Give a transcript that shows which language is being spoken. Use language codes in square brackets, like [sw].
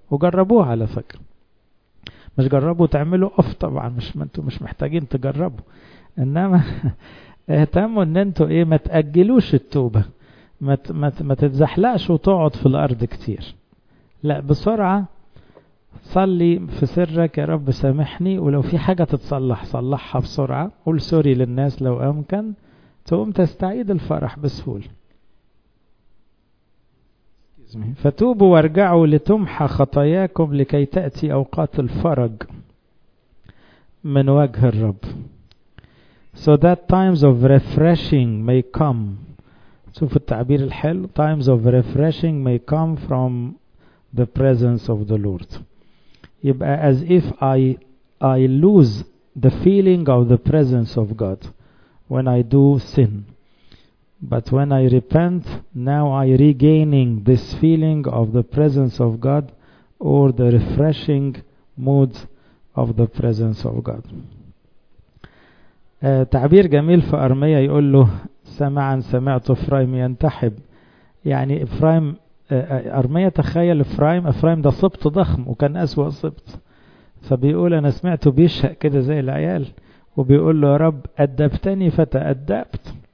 [ar] وجربوه على فكرة، مش جربوا تعملوا اوف طبعا، مش ما انتوا مش محتاجين تجربوا، انما اهتموا ان انتوا ايه ما تأجلوش التوبة، ما تتزحلقش وتقعد في الارض كتير، لا بسرعة صلي في سرك يا رب سامحني، ولو في حاجة تتصلح صلحها بسرعة، قول سوري للناس لو امكن، تقوم تستعيد الفرح بسهول. فتوبوا وارجعوا لتمحى خطاياكم لكي تأتي أوقات الفرج من وجه الرب. [en] So that times of refreshing may come. [ar] شوفوا التعبير الحلو. [en] Times of refreshing may come from the presence of the Lord. [ar] يبقى [en] as if I lose the feeling of the presence of God when I do sin. But when I repent, now I regaining this feeling of the presence of God or the refreshing mood of the presence of God. [ar] تعبير جميل في أرميا يقول له سمعا سمعت إفرايم ينتحب. يعني إفرايم أرميا تخيل إفرايم، إفرايم ده صبت ضخم وكان أسوأ صبت. فبيقول أنا سمعته بيشهق كده زي العيال، وبيقول له يا رب أدبتني فتأدبت.